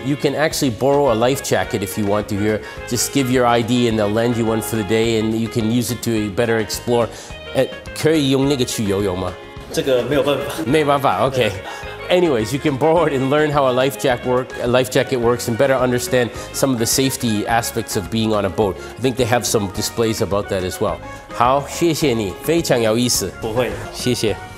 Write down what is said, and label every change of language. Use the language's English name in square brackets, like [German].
[English] You can actually borrow a life jacket if you want to here. Just give your ID and they'll lend you one for the day, and you can use it to better explore. [Chinese] 可以用那个去游泳吗？这个没有办法。没办法 ，OK。 [English] Anyways, you can borrow it and learn how a life jacket works and better understand some of the safety aspects of being on a boat. I think they have some displays about that as well. [Chinese] 好，谢谢你，非常有意思。不会，谢谢。